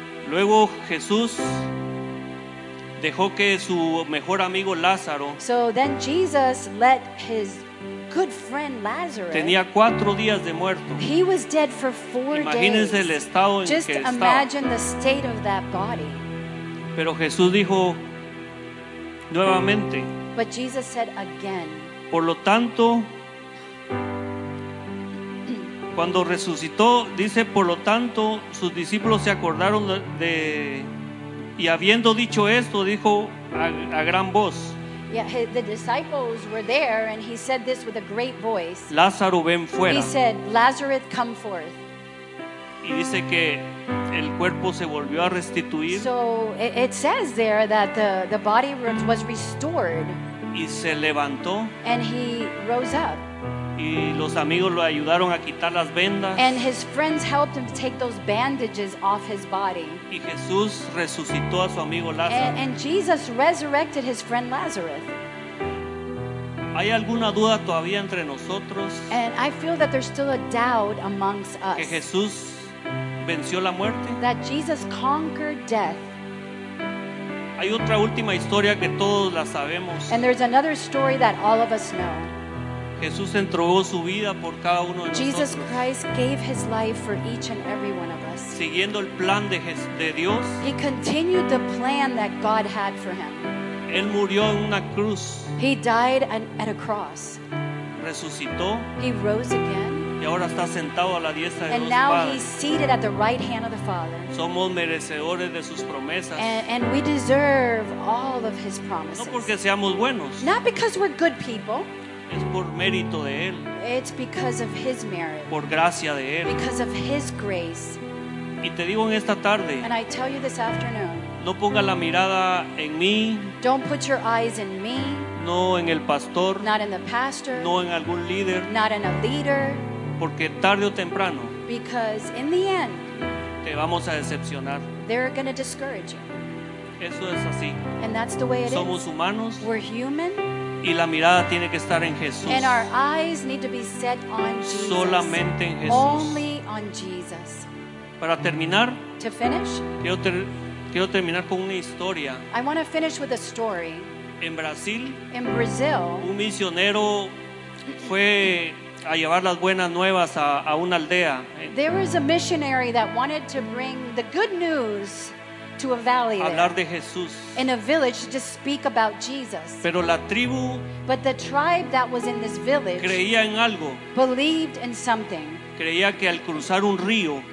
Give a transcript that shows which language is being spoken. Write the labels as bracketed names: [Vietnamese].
[Spanish] Luego Jesús dejó que su mejor amigo Lázaro. [English] So then Jesus let his good friend Lazarus. [Spanish] Tenía 4 días de muerto. [English] He was dead for 4 days. [Spanish] Imagínense el estado en que estaba. [English] Just imagine the state of that body. [Spanish] Pero Jesús dijo nuevamente. [English] But Jesus said again. [Spanish] Por lo tanto, cuando resucitó, dice, por lo tanto, sus discípulos se acordaron de y habiendo dicho esto, dijo a gran voz. [English] Yeah, the disciples were there and he said this with a great voice. [Spanish] Lázaro, ven fuera. [English] He said, Lazarus, come forth. [Spanish] Y dice que el cuerpo se volvió a restituir. [English] So it says there that the body was restored. [Spanish] Y se levantó. [English] And he rose up. [Spanish] Y los amigos lo ayudaron a quitar las vendas. [English] And his friends helped him take those bandages off his body. [Spanish] Y Jesús resucitó a su amigo Lázaro. [English] And Jesus resurrected his friend Lazarus. [Spanish] ¿Hay alguna duda todavía entre nosotros? [English] And I feel that there's still a doubt amongst us. [Spanish] Que Jesús venció la muerte. [English] That Jesus conquered death. [Spanish] Hay otra última historia que todos la sabemos. [English] And there's another story that all of us know. [Spanish] Jesús entregó su vida por cada uno de nosotros. [English] Jesus Christ gave his life for each and every one of us. [Spanish] Siguiendo el plan de Dios. [English] He continued the plan that God had for him. [Spanish] Él murió en una cruz. [English] He died at a cross. [Spanish] Resucitó. [English] He rose again. [Spanish] Y ahora está sentado a la diestra de Dios [English] And now he's seated at the right hand of the Father. [Spanish] Somos merecedores de sus promesas. [English] And we deserve all of his promises. [Spanish] No porque seamos buenos. [English] Not because we're good people. [Spanish] Es por mérito de él. [English] It's because of his merit. [Spanish] Por gracia de él. [English] Because of his grace. [Spanish] Y te digo en esta tarde. [English] And I tell you this afternoon. [Spanish] No ponga la mirada en mí. [English] Don't put your eyes in me. [Spanish] No en el pastor. [English] Not in the pastor. [Spanish] No en algún líder. [English] Not in a leader. [Spanish] Porque tarde o temprano. [English] Because in the end. [Spanish] Te vamos a decepcionar. [English] They're going to discourage you. [Spanish] Eso es así. [English] And that's the way it [Spanish] Somos [English] is. [Spanish] Somos humanos. [English] We're human. [Spanish] Y la mirada tiene que estar en Jesús. [English] And our eyes need to be set on Jesus. [Spanish] Solamente en Jesús. [English] Only on Jesus. [Spanish] Para terminar, [English] to finish, [Spanish] quiero terminar con una historia. [English] I want to finish with a story. [Spanish] En Brasil, [English] in Brazil, [Spanish] un misionero fue a llevar las buenas nuevas a una aldea. [English] There was a missionary that wanted to bring the good news to a valley [Spanish] hablar de Jesús. [English] In a village to speak about Jesus. [Spanish] Pero la tribu, [English] but the tribe that was in this village, [Spanish] creía en algo. [English] Believed in something. [Spanish] Creía que al cruzar un río,